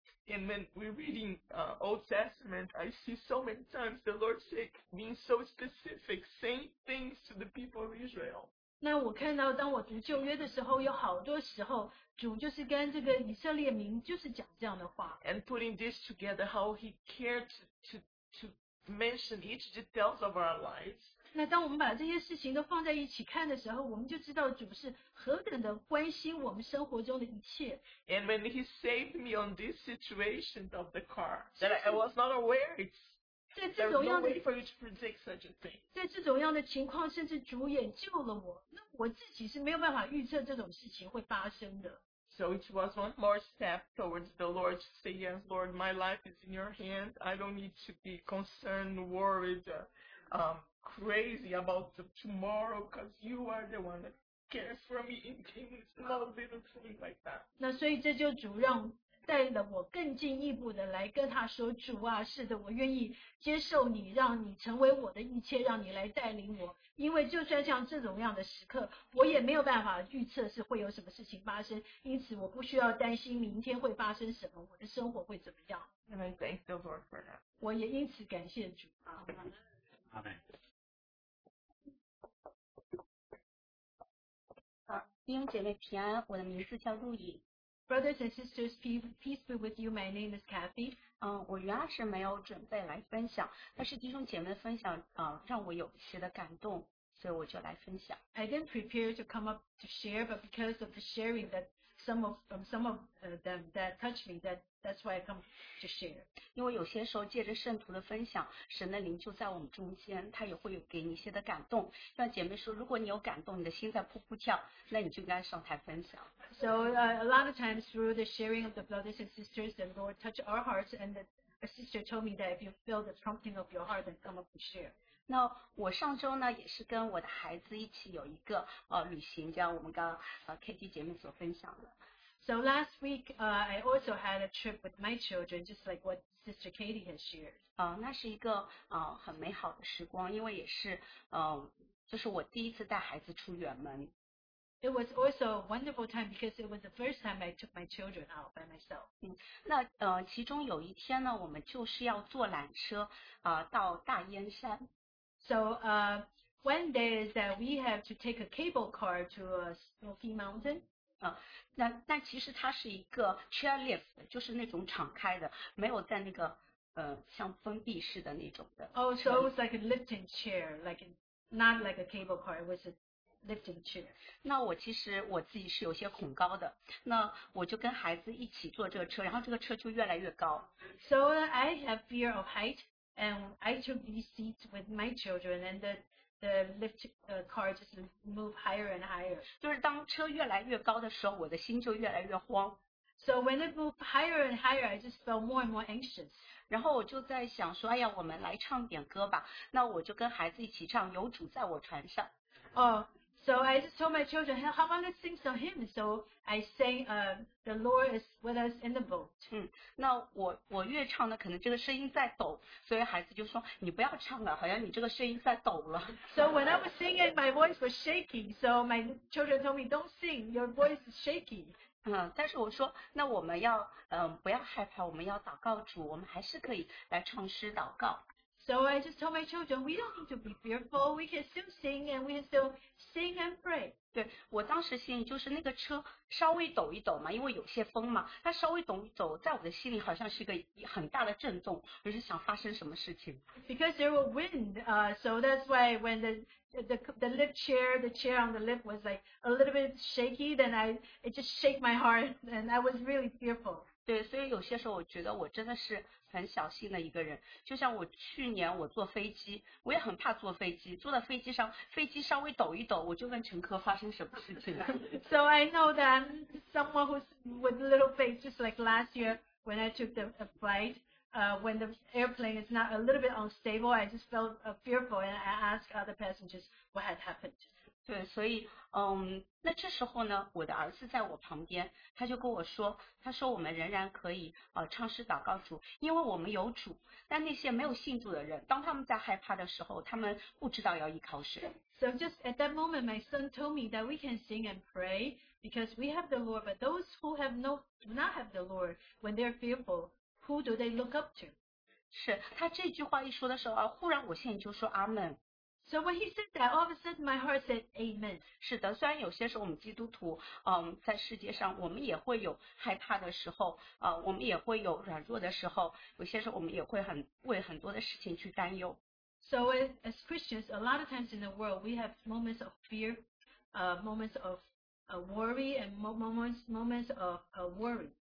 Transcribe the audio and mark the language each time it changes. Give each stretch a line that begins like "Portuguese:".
English: And when we're reading Old Testament, I see so many times the Lord say, being so specific, saying things to the people of Israel.
Chinese: 那我看到当我读旧约的时候，有好多时候主就是跟这个以色列民就是讲这样的话。
English: And putting this together, how He cared to mention each details of our lives.
Chinese: 那当我们把这些事情都放在一起看的时候，我们就知道主是何等的关心我们生活中的一切。
English: And when He saved me on this situation of the car, that I was not aware. There's no way for you to predict such a thing.
Chinese: 在这种样的情况，甚至主也救了我。那我自己是没有办法预测这种事情会发生的。
English: So it was one more step towards the Lord to say, "Yes, Lord, my life is in Your hands. I don't need to be concerned, worried, crazy about the tomorrow, because You are the one that cares for me and cares about little things like that."
Chinese: 那所以这就主让带了我更进一步的来跟他说，主啊，是的，我愿意接受你，让你成为我的一切，让你来带领我。因为就算像这种样的时刻，我也没有办法预测是会有什么事情发生，因此我不需要担心明天会发生什么，我的生活会怎么样。
English: And I thank the Lord for that.
Chinese: 我也因此感谢主啊。
English: Amen.
Chinese: 好，弟兄姐妹平安，我的名字叫陆颖。
English: Brothers and sisters, peace be with you. My name is Kathy.
Chinese: 我原来是没有准备来分享，但是弟兄姐妹分享，让我有一些的感动，所以我就来分享。
English: I didn't prepare to come up to share, but because of the sharing that some of them that touched me, that's why I come to share.
Chinese: 因为有些时候借着圣徒的分享，神的灵就在我们中间，他也会有给你一些的感动。那姐妹说，如果你有感动，你的心在噗噗跳，那你就应该上台分享。
English: So a lot of times through the sharing of the brothers and sisters, the Lord touched our hearts, and a sister told me that if you feel the prompting of your heart, then come up to share.
Chinese: 那我上周呢，也是跟我的孩子一起有一个旅行，就像我们刚Katie 姐妹所分享的。
English: So last week, I also had a trip with my children, just like what Sister Katie has shared.
Chinese: 那是一个很美好的时光，因为也是就是我第一次带孩子出远门。
English: It was also a wonderful time because it was the first time I took my children out by myself.
Chinese: 那其中有一天呢，我们就是要坐缆车到大燕山。
English: So one day is that we have to take a cable car to a Smoky Mountain.
Chinese: 但其实它是一个 chairlift, 就是那种敞开的，没有在那个像封闭式的那种的。
English: Oh, so it was like a lifting chair, like not like a cable car. It was a lifting chair.
Chinese: 那我其实我自己是有些恐高的，那我就跟孩子一起坐这个车，然后这个车就越来越高。
English: So I have fear of height, and I took these seats with my children, and the the lift car just move higher and higher.
Chinese: 就是当车越来越高的时候，我的心就越来越慌。
English: So when it moved higher and higher, I just felt more and more anxious.
Chinese: 然后我就在想说，哎呀，我们来唱点歌吧。那我就跟孩子一起唱《有主在我船上》。
English: So I just told my children, how about let's sing some hymns? So I sang, the Lord is with us in the boat.
Chinese: 那我越唱呢，可能这个声音在抖，所以孩子就说，你不要唱了，好像你这个声音在抖了。
English: So when I was singing, my voice was shaking. So my children told me, don't sing, your voice is shaking.
Chinese: 但是我说，那我们要，不要害怕，我们要祷告主，我们还是可以来唱诗祷告。
English: So I just told my children, we don't need to be fearful. We can still sing and we can still sing and pray.
Chinese: 对，我当时心里就是那个车稍微抖一抖嘛，因为有些风嘛，它稍微抖一抖，在我的心里好像是一个很大的震动，我就想发生什么事情。
English: Because there were wind, so that's why when the lift chair, the chair on the lift was like a little bit shaky, then it just shake my heart and I was really fearful.
Chinese: 对，所以有些时候我觉得我真的是很小心的一个人，就像我去年我坐飞机，我也很怕坐飞机，坐在飞机上，飞机稍微抖一抖，我就问乘客发生什么事情了。
English: So I know that I'm someone who's with little faith, just like last year when I took the flight, when the airplane is not a little bit unstable, I just felt fearful and I asked other passengers what had happened.
Chinese: 对，所以，那这时候呢，我的儿子在我旁边，他就跟我说，他说我们仍然可以唱诗祷告主，因为我们有主。但那些没有信主的人，当他们在害怕的时候，他们不知道要依靠谁。
English: So just at that moment, my son told me that we can sing and pray because we have the Lord. But those who have no, do not have the Lord, when they're fearful, who do they look up to?
Chinese: 是他这句话一说的时候啊，忽然我心里就说阿门。
English: So when he said that, all of a sudden my heart said, Amen.
Chinese: 是的，虽然有些时候我们基督徒，在世界上我们也会有害怕的时候，我们也会有软弱的时候，有些时候我们也会很为很多的事情去担忧。
English: So as Christians, a lot of times in the world, we have moments of fear, moments of worry, and moments of worry.